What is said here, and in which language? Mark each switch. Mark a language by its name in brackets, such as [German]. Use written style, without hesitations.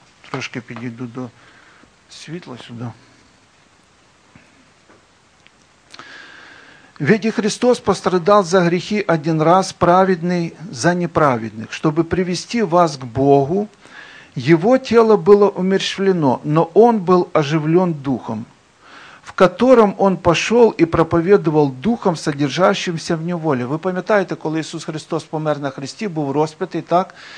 [Ukrainian] Трошки підійду до світла сюди. [Russian] Ведь Христос пострадал за грехи один раз, праведный за неправедных, чтобы привести вас к Богу. Его тело было умерщвлено, но он был оживлен духом, в котором он пошел и проповедовал духом, содержащимся в неволе. [Ukrainian] Ви пам'ятаєте, коли Ісус Христос помер на хресті, був розп'ятий, так?